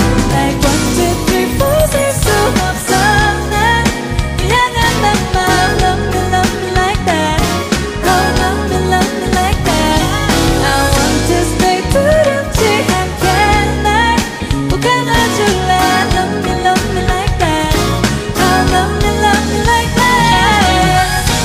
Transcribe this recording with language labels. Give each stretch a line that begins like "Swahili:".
English: Like one, two, three, four
Korean: 셀 수 없어 난 널 향한 내 맘.
English: Love me, love me like that. Oh, love me, love me like that. I want to stay
Korean: 두렵지 않게 날 묶어놔줄래.
English: Love me, love me like that. Oh, love me, love me like that.